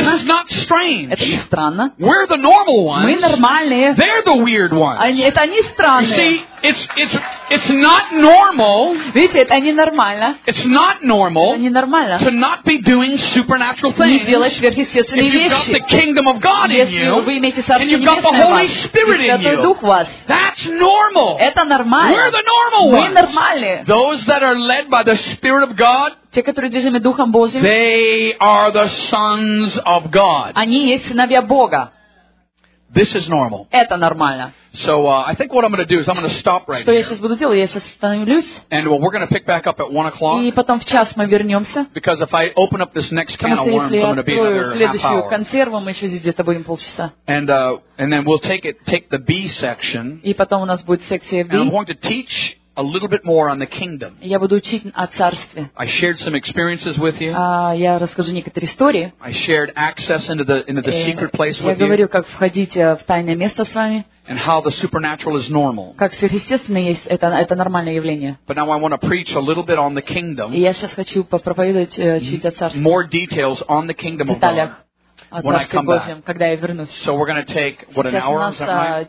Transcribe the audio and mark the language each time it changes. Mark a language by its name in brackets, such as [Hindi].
[English] This is not strange. [Russian] Это не странно. [English] We're the normal ones. [Russian] Мы нормальные. [English] They're the weird ones. [Russian] Они это не странные. [English] You see, it's not normal. [Russian] Видите, это не нормально. [English] It's not normal. [Russian] Это не нормально. [English] To not be doing supernatural things. [Russian] Не делать сверхъестественные вещи. [English] If you've got the kingdom of God in you, [Russian] вы имеете Царство Небесное, [English] and you've got the Holy Spirit in you, [Russian] Дух вас. [English] That's normal. [Russian] Это нормально. [English] We're the normal ones. [Russian] Мы нормальные. [English] Those that are led by the Spirit of God, [Russian] те, которые движимы Духом Божьим, [English] they are the sons of God. [Russian] Они есть сыновья Бога. [English] This is normal. [Russian] Это нормально. [English] So I think what I'm going to do is I'm going to stop right here. [Russian] Что я сейчас буду делать? Я сейчас остановлюсь. [English] And well, we're going to pick back up at 1 o'clock. [Russian] И потом в час мы вернемся. [English] Because if I open up this next can of worms, I'm going to be another half hour. [Russian] Следующую консерву мы еще здесь где-то будем полчаса. [English] And then we'll take the B section. [Russian] И потом у нас будет секция B. [English] And I'm going to teach a little bit more on the kingdom. [Russian] Я буду учить о царстве. [English] I shared some experiences with you. [Russian] Я расскажу некоторые истории. [English] I shared access into the secret place with you. [Russian] Я говорил, как входить в тайное место с вами. [English] And how the supernatural is normal. [Russian] Как сверхъестественное есть это нормальное явление. [English] But now I want to preach a little bit on the kingdom. [Russian] И я сейчас хочу проповедовать чуть о царстве. [English] More details on the kingdom of God. When I come back. [Russian] Когда я вернусь. [English] So we're going to take what an hour, is that right?